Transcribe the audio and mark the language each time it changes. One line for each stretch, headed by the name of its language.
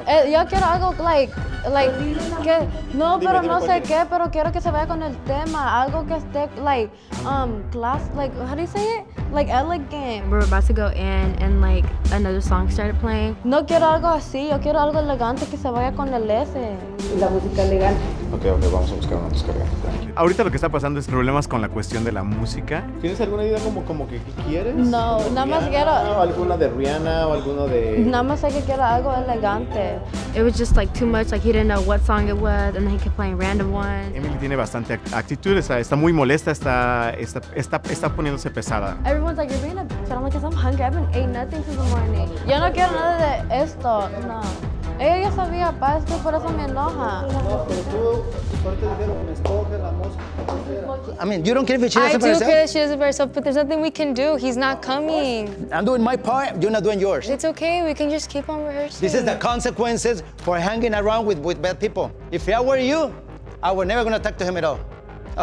Spanish: Yo quiero algo, like, que, no, pero no sé qué, pero quiero que se vaya con el tema. Algo que esté,
English: like, class, like, how do you say it? Like, elegant. We're about to go in, and, like, another song started playing.
Spanish: No quiero algo así, yo quiero algo elegante que se vaya con el S. La música elegante. Ok, vamos a buscar una descarga. Ahorita lo que está pasando es problemas con la cuestión de la música. ¿Tienes alguna idea como que quieres? No, nada más quiero... ¿Alguna de Rihanna o alguna de...? Nada más sé que quiero algo elegante.
English: It was just like too much, like he didn't know what song it was, and then he kept playing random ones.
Spanish: Emily tiene bastante actitud, está muy molesta, está poniéndose pesada.
English: Everyone's like, you're being a bitch, I'm like, because I'm hungry, I haven't ate nothing since the morning.
Spanish: Yo no quiero nada de esto, no. Ella ya sabía, pa, es que por eso me enoja.
English: I mean, you don't care if she doesn't I do care that she doesn't herself, but there's nothing we can do. He's not coming. I'm doing my part, you're not doing yours. It's okay, we can just keep on rehearsing. This is the consequences for hanging around with bad people. If I were you, I were never gonna talk to him at all. Oh,